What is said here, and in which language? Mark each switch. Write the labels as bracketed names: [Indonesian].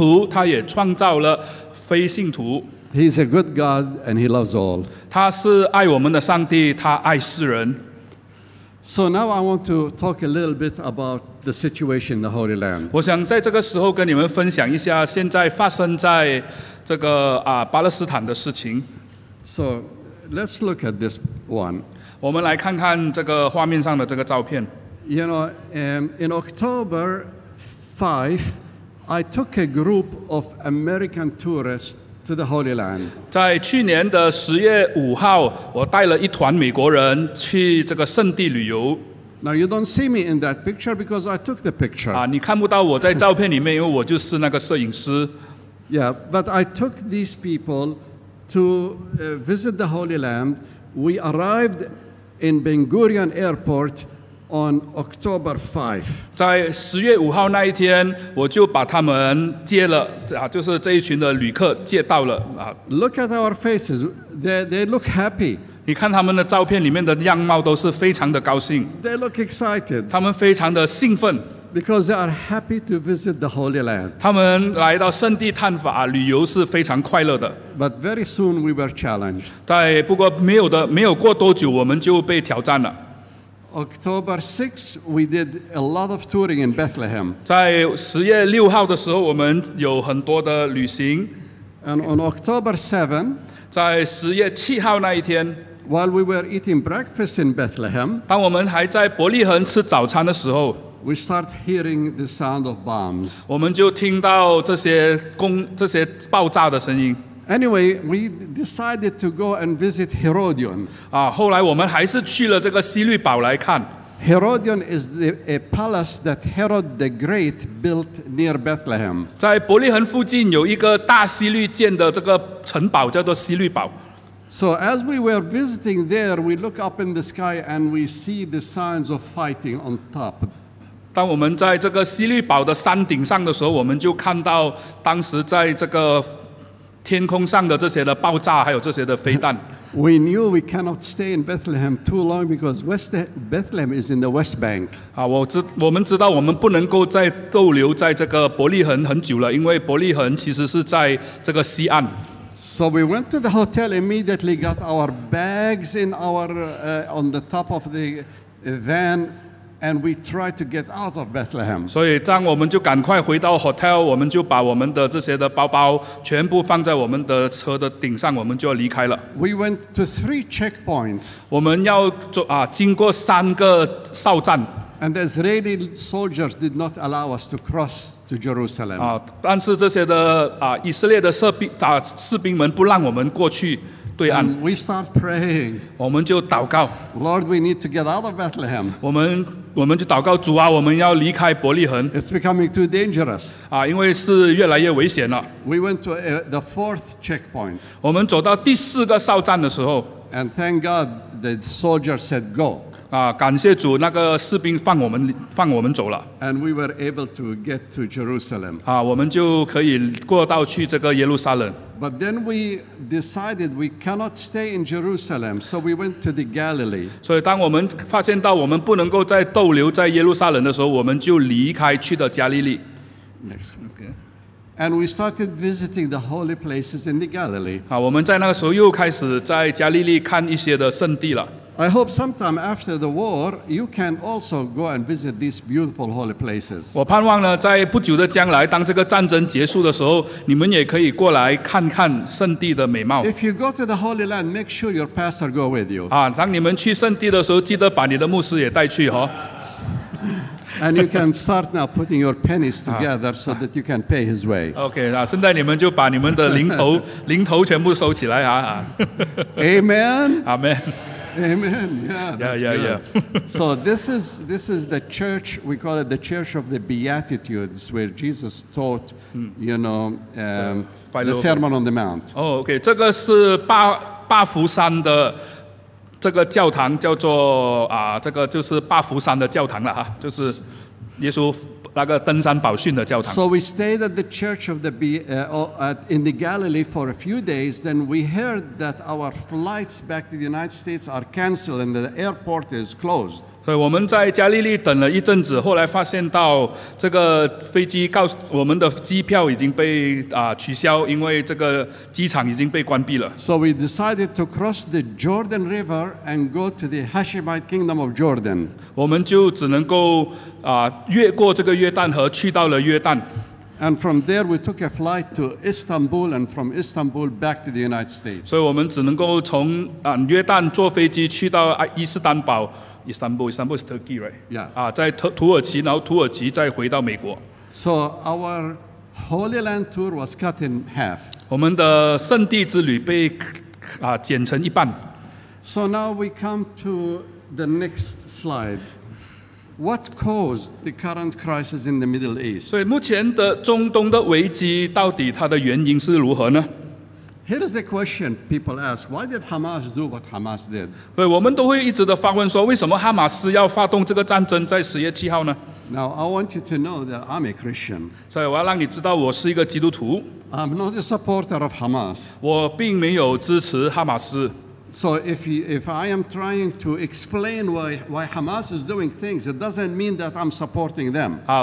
[Chinese] 是我们的上帝不单单是创造基督徒，他也创造了非信徒。 [English] He is a good God and He loves all. [Chinese] 他是爱我们的上帝，他爱世人。 [English] So now I want to talk a little bit about the situation in the Holy Land. [Chinese] 我想在这个时候跟你们分享一下现在发生在这个巴勒斯坦的事情。 [English] So let's look at this one. [Chinese] 我们来看看这个画面上的这个照片。 [English] You know, in October 5, I took a group of American tourists to the Holy Land. [Chinese] 在去年的10月5号，我带了一团美国人去这个圣地旅游。 [English] Now you don't see me in that picture because I took the picture. [Chinese] 你看不到我在照片里面，因为我就是那个摄影师。 [English] Yeah, but I took these people to visit the Holy Land. We arrived in Ben Gurion Airport on October 5. [Chinese] 在十月五号那一天，我就把他们接了，就是这一群的旅客接到了。 [English] Look at our faces. They look happy. [Chinese] 你看他们的照片里面的样貌都是非常的高兴。 [English] They look excited. [Chinese] 他们非常的兴奋。 [English] Because they are happy to visit the Holy Land. [Chinese] 他们来到圣地探访旅游是非常快乐的。 [English] But very soon we were challenged. [Chinese] 在不过没有的没有过多久，我们就被挑战了。 [English] October 6, we did a lot of touring in Bethlehem. [Chinese] 在十月六号的时候，我们有很多的旅行。 [English] And on October 7, [Chinese] 在十月七号那一天。 [English] While we were eating breakfast in Bethlehem, [Chinese] 当我们还在伯利恒吃早餐的时候。 [English] We start hearing the sound of bombs. [Chinese] 我们就听到这些爆炸的声音。 [English] Anyway, we decided to go and visit Herodion. [Chinese] 啊，后来我们还是去了这个希律堡来看。 [English] Herodion is a palace that Herod the Great built near Bethlehem. [Chinese] 在伯利恒附近有一个大希律建的这个城堡，叫做希律堡。 [English] So as we were visiting there, we look up in the sky and we see the signs of fighting on top. [Chinese] 当我们在这个希律堡的山顶上的时候，我们就看到当时在这个天空上的这些的爆炸，还有这些的飞弹。 [English] We knew we cannot stay in Bethlehem too long because West Bethlehem is in the West Bank. [Chinese] 啊，我们知道我们不能够再逗留在这个伯利恒很久了，因为伯利恒其实是在这个西岸。 [English] So we went to the hotel immediately, got our bags in our on the top of the van. And we tried to get out of Bethlehem. [Chinese] 所以当我们就赶快回到 hotel， 我们就把我们的这些的包包全部放在我们的车的顶上，我们就要离开了。 [English] We went to three checkpoints. [Chinese] 我们要经过三个哨站。 [English] And the Israeli soldiers did not allow us to cross to Jerusalem. [Chinese] 啊，但是这些的以色列的士兵们不让我们过去。 [English] And we start praying. [Chinese] 我们就祷告。 [English] Lord, we need to get out of Bethlehem. [Chinese] 我们就祷告主啊，我们要离开伯利恒。 [English] It's becoming too dangerous. [Chinese] 啊，因为是越来越危险了。 [English] We went to the fourth checkpoint. [Chinese] 我们走到第四个哨站的时候。 [English] And thank God, the soldier said go. [Chinese] 啊，感谢主，那个士兵放我们走了。 [English] And we were able to get to Jerusalem. [Chinese] 啊，我们就可以过到去这个耶路撒冷。 [English] But then we decided we cannot stay in Jerusalem, so we went to the Galilee. [Chinese] 所以当我们发现到我们不能够再逗留在耶路撒冷的时候，我们就离开去的加利利。 [English] Next, okay. And we started visiting the holy places in the Galilee. [Chinese] 我们在那个时候又开始在加利利看一些的圣地了。 [English] I hope sometime after the war you can also go and visit these beautiful holy places. [Chinese] 我盼望呢，在不久的将来，当这个战争结束的时候，你们也可以过来看看圣地的美貌。 [English] If you go to the Holy Land, make sure your pastor go with you. [Chinese] 当你们去圣地的时候，记得把你的牧师也带去哦。 [English] And you can start now putting your pennies together so that you can pay his way. [Chinese] Okay, 现在你们就把你们的零头全部收起来啊。 [English] Amen. Amen. Amen. Yeah. So this is the church. We call it the Church of the Beatitudes, where Jesus taught, you know, the Sermon on the Mount. Oh, okay. [Chinese] 这个是巴福山的这个教堂叫做这个就是巴福山的教堂了就是耶稣那个登山宝训的教堂。 [English] So we stayed at the church of the in the Galilee for a few days. Then we heard that our flights back to the United States are canceled and the airport is closed. [Chinese] 所以我们在加利利等了一阵子，后来发现到这个飞机告诉我们的机票已经被取消，因为这个机场已经被关闭了。 [English] So we decided to cross the Jordan River and go to the Hashemite Kingdom of Jordan. [Chinese] 我们就只能够越过这个约旦河，去到了约旦。 [English] And from there we took a flight to Istanbul and from Istanbul back to the United States. [Chinese] 所以我们只能够从约旦坐飞机去到伊斯坦堡。 [English] Istanbul is Turkey, right? Yeah. [Chinese] 在土耳其，然后土耳其再回到美国。 [English] So our Holy Land tour was cut in half. [Chinese] 我们的圣地之旅被剪成一半。 [English] So now we come to the next slide. What caused the current crisis in the Middle East? [Chinese] 所以目前的中东的危机到底它的原因是如何呢？ [English] Here is the question people ask: why did Hamas do what Hamas did? [Chinese] 对，我们都会一直的发问说，为什么哈马斯要发动这个战争在10月7号呢？ [English] Now I want you to know that I'm a Christian. [Chinese] 所以我要让你知道我是一个基督徒。 [English] I'm not a supporter of Hamas. [Chinese] 我并没有支持哈马斯。 [English] So if I am trying to explain why Hamas is doing things, it doesn't mean that I'm supporting them.